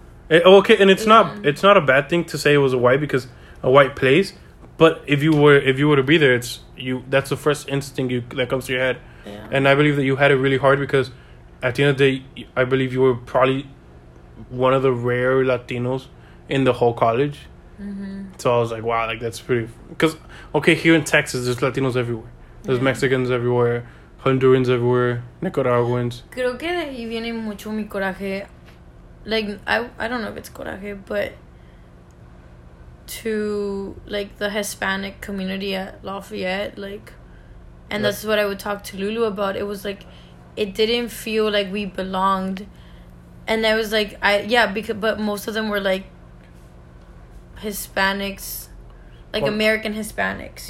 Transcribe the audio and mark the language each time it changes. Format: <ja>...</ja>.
<en>It's not a bad thing to say it was a white because... A white place, but if you were to be there, that's the first instinct that comes to your head. Yeah. And I believe that you had it really hard because at the end of the day, I believe you were probably one of the rare Latinos in the whole college. Mm-hmm. So I was like, wow, like that's pretty, because okay, here in Texas there's Latinos everywhere. There's Mexicans everywhere, Hondurans everywhere, Nicaraguans.</en> <es>Creo que de ahí viene mucho mi coraje.</es> <en>Like I don't know if it's coraje, but to like the Hispanic community at Lafayette, like, and that's what I would talk to Lulu about. It was like, it didn't feel like we belonged, and I was like, but most of them were like Hispanics, like, well, American Hispanics,</en>